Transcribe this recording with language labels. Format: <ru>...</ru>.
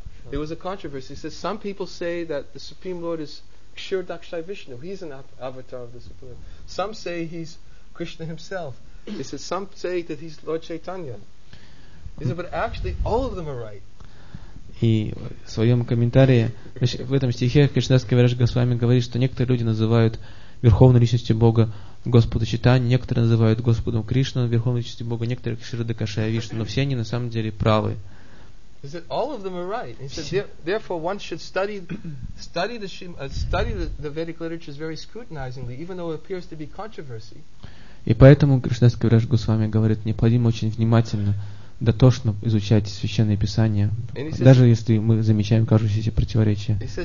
<en>There was a controversy. He says some people say that the Supreme Lord is Kshir Dakshai Vishnu. He's an avatar of the Supreme Lord. Some say he's Krishna himself. He says some say that he's Lord Chaitanya. He said, but actually all of them are right.</en> <ru>И в своем комментарии в этом стихе Кришнадас Кавираж Госвами говорит, что некоторые люди называют Верховной Личностью Бога Господа Чайтанья, некоторые называют Господом Кришну Верховной Личностью Бога, некоторые Кшир Дакшая Вишну, но все они на самом деле правы.</ru> <en>He said all of them are right. He said therefore one should study the Vedic literatures very scrutinizingly, even though it appears to be controversy.</en> <ru>И поэтому Кришнадас Кавираж Госвами говорит, необходимо очень внимательно дотошно изучать Священное Писание, даже если мы замечаем кажущиеся противоречия.</ru>